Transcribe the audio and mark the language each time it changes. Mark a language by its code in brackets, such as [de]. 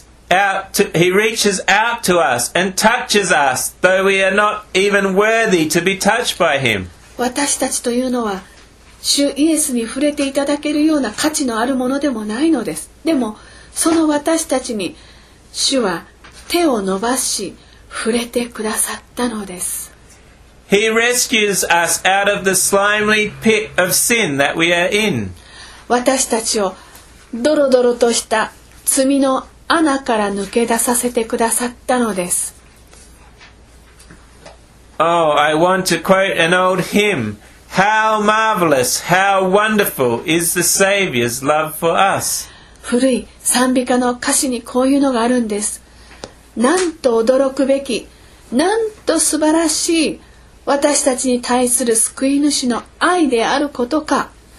[en] He reaches out to us and touches us, though we are not even worthy to be touched by him. [ja] 私たちというのは、主イエスに触れていただけるような価値のあるものでもないのです。でも、その私たちに主は手を伸ばし、触れてくださったのです。 [en] He rescues us out of the slimy pit of sin that we are in. [ja] 私たちをドロドロとした罪の穴から抜け出させてくださったのです。 [en] Oh, I want to quote an old hymn. How marvelous, how wonderful is the Savior's love for us. [ja] 古い賛美歌の歌詞にこういうのがあるんです。なんと驚くべき、なんと素晴らしい私たちに対する救い主の愛であることか。